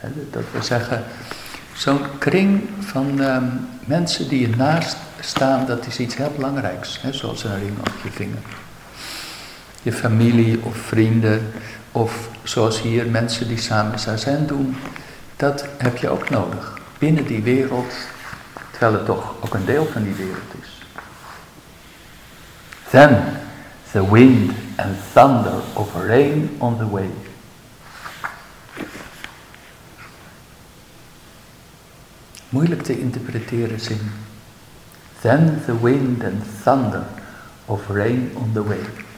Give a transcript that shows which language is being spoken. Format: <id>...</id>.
<nl>Dat wil zeggen, zo'n kring van mensen die je naast staan, dat is iets heel belangrijks. Hè, zoals een ring op je vinger. Je familie of vrienden, of zoals hier mensen die samen zazen doen, dat heb je ook nodig. Binnen die wereld, terwijl het toch ook een deel van die wereld is.</nl> <en>Then the wind and thunder of rain on the wave.</en> <nl>Moeilijk te interpreteren zin.</nl> <en>Then the wind and thunder of rain on the wave.</en>